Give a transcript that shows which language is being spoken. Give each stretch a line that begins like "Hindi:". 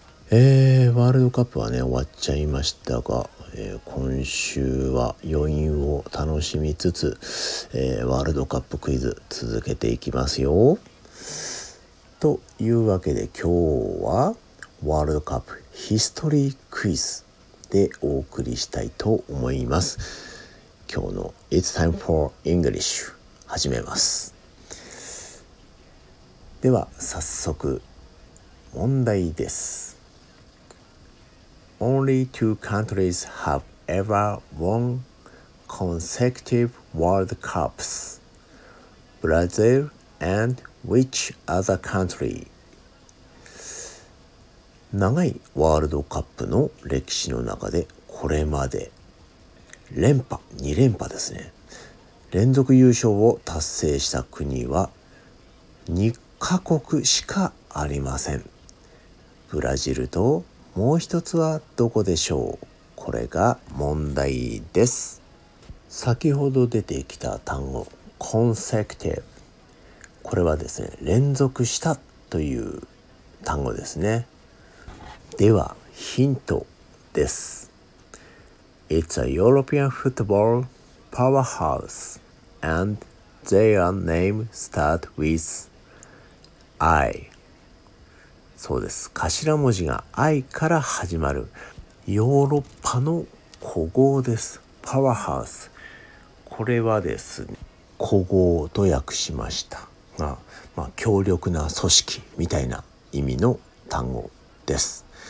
Japanese: ワールドカップはね終わっちゃいましたが、今週は余韻を楽しみつつ、ワールドカップクイズ続けていきますよ。というわけで今日はワールドカップヒストリークイズでお送りしたいと思います。今日の
English: It's time for English
Japanese: 始めます。では早速問題です。
English: Only two countries have ever won consecutive World Cups. Brazil and which other country?
Japanese: 長いワールドカップの歴史の中でこれまで連覇、2連覇ですね。連続優勝を達成した国は2カ国しかありません。ブラジルともう一つはどこでしょう。これが問題です。先ほど出てきた単語 consecutive、 これはですね連続したという単語ですね。ではヒントです。
English: It's a European football powerhouse and their name start with I。
Japanese: そうです、頭文字が I から始まるヨーロッパの古豪です。パワーハウス、これはですね古豪と訳しましたが、まあ、強力な組織みたいな意味の単語です。